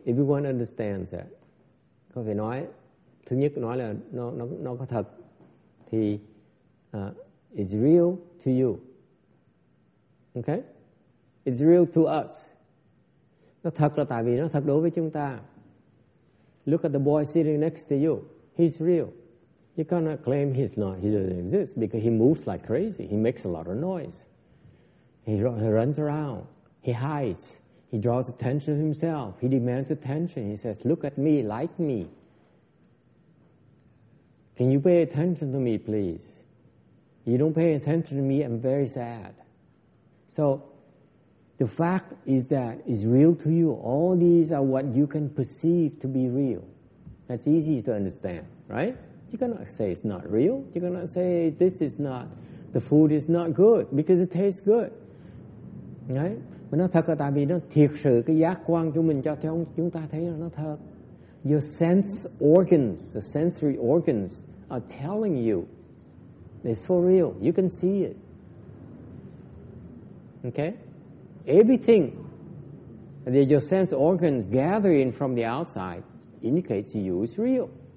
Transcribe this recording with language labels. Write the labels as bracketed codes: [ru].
[en] Everyone understands that. [vi] Có thể nói, thứ nhất nói là nó có thật. [en] Thì it's real to you. Okay? It's real to us. [vi] Nó thật là tại vì nó thật đối với chúng ta. [en] Look at the boy sitting next to you. He's real. You cannot claim he's not. He doesn't exist because he moves like crazy. He makes a lot of noise. He runs around. He hides. He draws attention to himself. He demands attention. He says, look at me, like me. Can you pay attention to me, please? You don't pay attention to me, I'm very sad. So the fact is that it's real to you. All these are what you can perceive to be real. That's easy to understand, right? You cannot say it's not real. You cannot say this is not, the food is not good because it tastes good. Right? [vi] Mà nó thật là tại vì nó thiệt sự cái giác quan của mình cho theo chúng ta thấy là nó thật. [en] Your sense organs, the sensory organs are telling you it's for real. You can see it. Okay? Everything that your sense organs gather in from the outside indicates to you it's real.